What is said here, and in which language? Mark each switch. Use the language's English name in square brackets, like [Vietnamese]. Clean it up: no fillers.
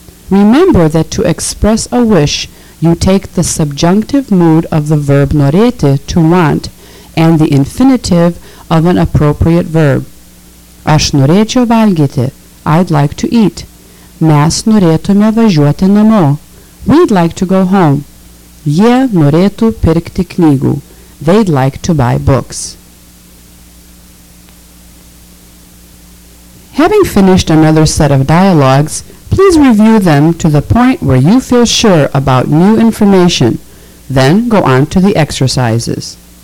[English] Remember that to express a wish, you take the subjunctive mood of the verb norėti, to want, and the infinitive of an appropriate verb. [Lithuanian] Aš norėčiau valgyti. [English] I'd like to eat. [Lithuanian] Mes norėtume važiuoti namo. [English] We'd like to go home. [Lithuanian] Jie norėtų pirkti knygų. [English] They'd like to buy books. Having finished another set of dialogues, please review them to the point where you feel sure about new information. Then go on to the exercises.